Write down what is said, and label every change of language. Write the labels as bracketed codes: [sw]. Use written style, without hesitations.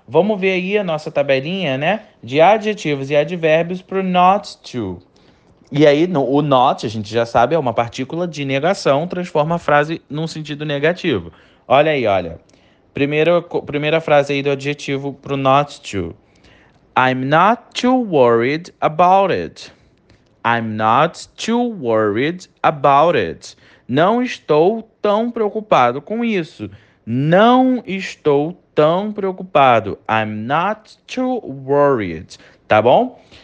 [pt] Vamos ver aí a nossa tabelinha, né, de adjetivos e advérbios para o not to. E aí, o not, a gente já sabe, é uma partícula de negação, transforma a frase num sentido negativo. Olha aí, olha. Primeira frase aí do adjetivo pro not to. [en] I'm not too worried about it. I'm not too worried about it. [pt] Não estou tão preocupado com isso. Não estou tão preocupado. [en] I'm not too worried. Tá bom?